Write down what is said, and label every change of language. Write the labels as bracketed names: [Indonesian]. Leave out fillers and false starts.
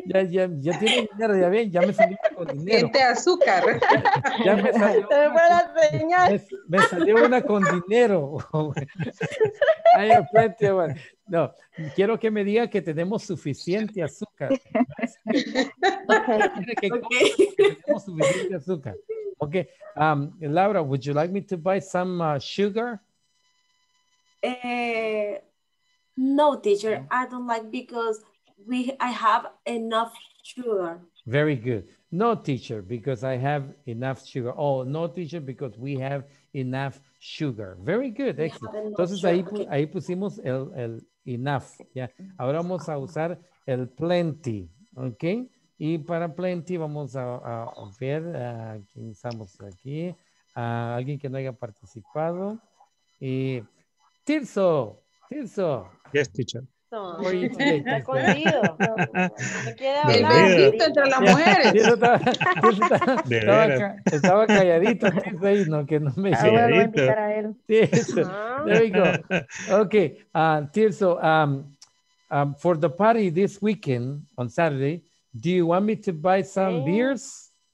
[Spanish] ya tiene dinero, ya bien, ya me salió con dinero. Siente azúcar. Ya me salió. Se me fue la señal. Me salió una con dinero. Ahí al frente, bueno. No, quiero que me diga que tenemos suficiente azúcar. Tenemos suficiente azúcar. [English] Ok, Laura, would you like me to buy some sugar? No, teacher, I don't like because I have enough sugar. Very good. No, teacher, because I have enough sugar. Oh, no, teacher, because we have enough sugar. Very good, excellent. [Spanish] Entonces, ahí pusimos el enough, ¿ya? Ahora vamos a usar el plenty, ¿ok? Y para plenty vamos a ver a quién estamos aquí, a alguien que no haya participado. Y Tirso, Tirso. [English] Yes, teacher. [Spanish] No, está escondido. No, no quiere hablar. El besito entre las mujeres. Tirso estaba calladito, Tirso, ahí, no, que no me llegue. Ahora voy a invitar a él. [English] Tirso, there we go. Ok, Tirso, for the party this weekend, on Saturday, do you want me to buy some beers?